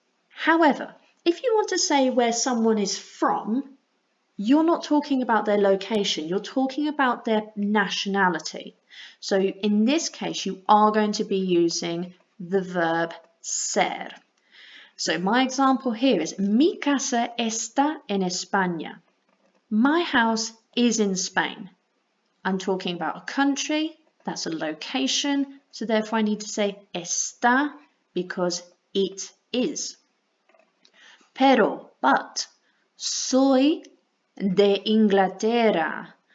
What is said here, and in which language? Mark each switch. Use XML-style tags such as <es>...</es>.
<en>However, if you want to say where someone is from, you're not talking about their location, you're talking about their nationality. So in this case, you are going to be using the verb ser. So my example here is,</en> <es>mi casa está en España.</es> <en>My house is in Spain. I'm talking about a country, that's a location, so therefore I need to say está because it is.</en> <es>Pero, but, soy de Inglaterra.</es>